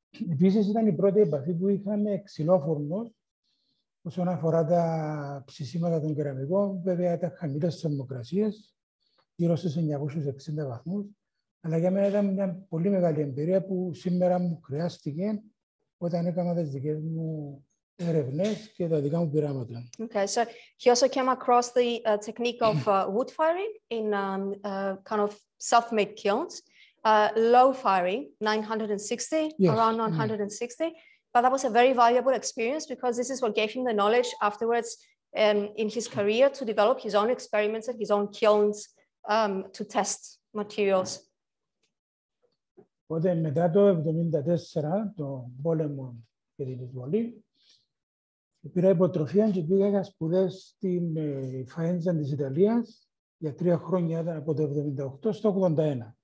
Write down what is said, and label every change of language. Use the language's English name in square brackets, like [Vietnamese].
[Greek] Επίσης ήταν η πρώτη επαφή που είχαμε ξυλόφουρνους, όσον αφορά τα ψησίματα των κεραμικών, βέβαια τα χαμηλές θερμοκρασίες, γύρω στους 960 βαθμούς. Αλλά για μένα ήταν μια πολύ μεγάλη εμπειρία που σήμερα μου χρειάστηκε όταν έκανα τις δικές μου έρευνες και τα δικά μου πειράματα. [English] Okay, so he also came across the technique of wood firing in kind of self-made kilns, low firing, 960, yes. Around 960. Mm-hmm. But that was a very valuable experience because this is what gave him the knowledge afterwards in his career to develop his own experiments and his own kilns to test materials. [Greek] Οπότε μετά το 1974, το πόλεμο και την εισβολή, πήρα υποτροφία και πήγα για σπουδές στην Φαέντζα της Ιταλίας για τρία χρόνια από το 1978 στο 1981.